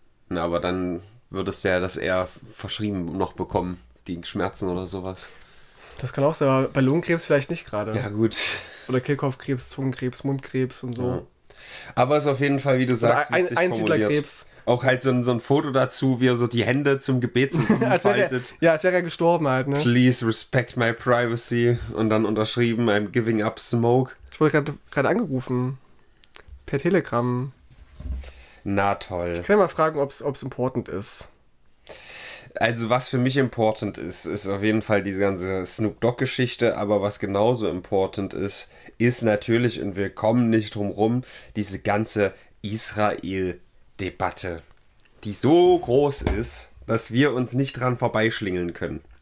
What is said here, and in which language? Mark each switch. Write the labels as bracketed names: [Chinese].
[German] Na, aber dann würdest du ja das eher verschrieben noch bekommen, gegen Schmerzen oder sowas. Das kann auch sein, aber bei Lungenkrebs vielleicht nicht gerade. Ja, gut. Oder Kehlkopfkrebs, Zungenkrebs, Mundkrebs und so. Ja. Aber es ist auf jeden Fall, wie du sagst, witzig Einsiedlerkrebs. Auch halt so ein Foto dazu, wie er so die Hände zum Gebet zusammenfaltet. Als wäre er gestorben halt, ne? [English] Please respect my privacy. [German] Und dann unterschrieben, [English] I'm giving up smoke. [German] Ich wurde gerade angerufen. Per Telegram. Na toll. Ich kann ja mal fragen, ob es important ist. Also was für mich important ist, ist auf jeden Fall diese ganze Snoop Dogg-Geschichte. Aber was genauso important ist, ist natürlich, und wir kommen nicht drum rum, diese ganze Israel-Debatte, die so groß ist, dass wir uns nicht dran vorbeischlingeln können.